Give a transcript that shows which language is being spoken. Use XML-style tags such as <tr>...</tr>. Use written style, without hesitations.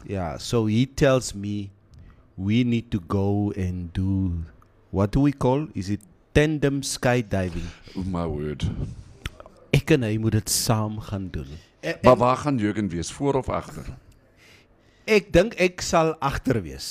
<en>Yeah, so he tells me we need to go and do, what do we call? Is it tandem skydiving? My word.</en> <af>Ek en hy moet het saam gaan doen. Maar waar gaan Jurgen wees, voor of achter? Ek dink ek sal achter wees.</af>